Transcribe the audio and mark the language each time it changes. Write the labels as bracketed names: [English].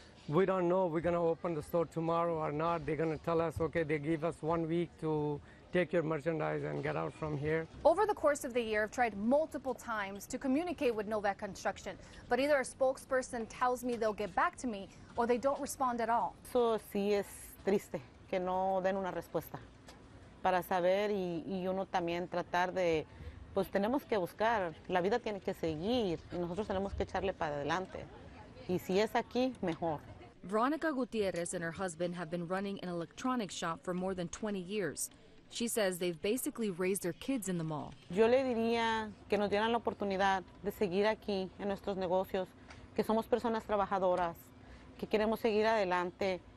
[English] We don't know if we're going to open the store tomorrow or not. They're going to tell us, okay, they give us 1 week to take your merchandise and get out from here. Over the course of the year, I've tried multiple times to communicate with Novak Construction, but either a spokesperson tells me they'll get back to me or they don't respond at all. [Spanish] So, sí es triste que no den una respuesta. Para saber y uno también tratar de, pues tenemos que buscar, la vida tiene que seguir y nosotros tenemos que echarle para adelante. Y si es aquí, mejor. [English] Veronica Gutierrez and her husband have been running an electronics shop for more than 20 years. She says they've basically raised their kids in the mall. [Spanish] Yo le diría que nos dieran la oportunidad de seguir aquí en nuestros negocios, que somos personas trabajadoras, que queremos seguir adelante.